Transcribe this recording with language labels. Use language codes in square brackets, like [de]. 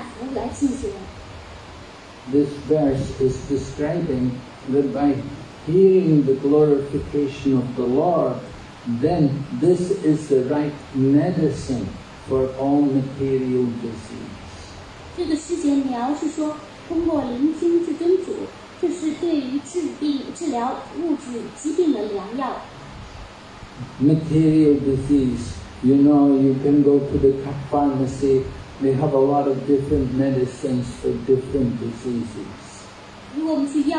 [zh] 对内心的进化要透过奉爱服务来进行。This [en] verse is describing that by hearing the glorification of the Lord, then this is the right medicine for all material disease. [zh] 这个世界描述说，通过聆听至尊主，这是对于治病、治疗物质疾病的良药。 [en] Material disease, you know, you can go to the pharmacy, they have a lot of different medicines for different diseases.